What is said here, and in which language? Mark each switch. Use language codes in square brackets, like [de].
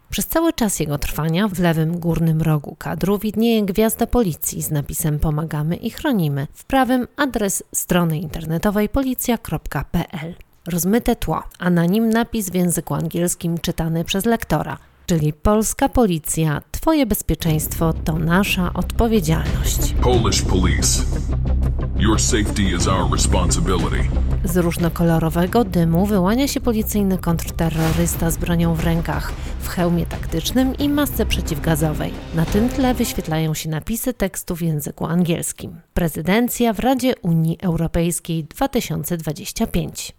[pl] Przez cały czas jego trwania w lewym górnym rogu kadru widnieje gwiazda policji z napisem Pomagamy i chronimy, w prawym adres strony internetowej policja.pl. Rozmyte tło, a na nim napis w języku angielskim czytany przez lektora, czyli Polska Policja, Twoje bezpieczeństwo to nasza odpowiedzialność. [en] Polish Police. Your safety is our responsibility. [pl] Z różnokolorowego dymu wyłania się policyjny kontrterrorysta z bronią w rękach, w hełmie taktycznym i masce przeciwgazowej. Na tym tle wyświetlają się napisy tekstu w języku angielskim. Prezydencja w Radzie Unii Europejskiej 2025.